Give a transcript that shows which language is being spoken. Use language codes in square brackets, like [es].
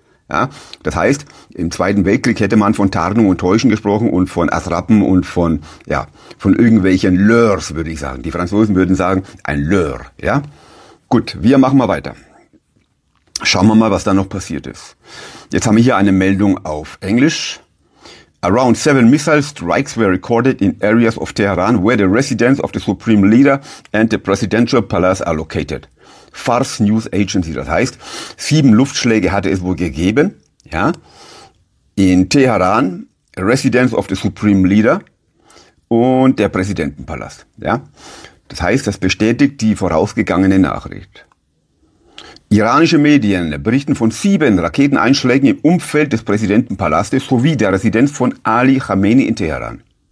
[de] Ja, das heißt, im Zweiten Weltkrieg hätte man von Tarnung und Täuschen gesprochen und von Attrappen und von irgendwelchen Leurs, würde ich sagen. Die Franzosen würden sagen, ein Leur. Ja? Gut, wir machen mal weiter. Schauen wir mal, was da noch passiert ist. Jetzt haben wir hier eine Meldung auf Englisch. [en] Around 7 missile strikes were recorded in areas of Tehran, where the residence of the Supreme Leader and the Presidential Palace are located. [de] Fars News Agency, das heißt, 7 Luftschläge hatte es wohl gegeben, ja, in Teheran, [en] Residence of the Supreme Leader [de] und der Präsidentenpalast, ja. Das heißt, das bestätigt die vorausgegangene Nachricht. Iranische Medien berichten von 7 Raketeneinschlägen im Umfeld des Präsidentenpalastes sowie der Residenz von Ali Khamenei in Teheran.